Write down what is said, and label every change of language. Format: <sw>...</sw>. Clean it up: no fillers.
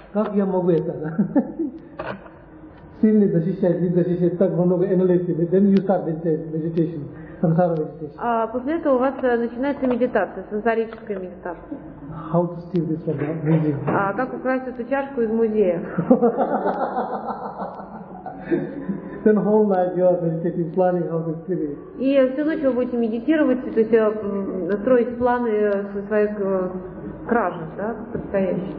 <ru>Как я могу это, да? Сильно защищать, не защищать, так много энергии.</ru> <en>Then you start meditation.</en> <ru>А после этого у вас начинается медитация, сансарическая медитация.</ru> <en>How to steal this from the museum?</en> <ru>А как украсть эту чашку из музея?</ru> <en>Then whole night you are meditating, planning how to steal it.</en> <ru>И всю ночь вы будете медитировать, то есть строить планы своих кражи, да, предстоящих.</ru>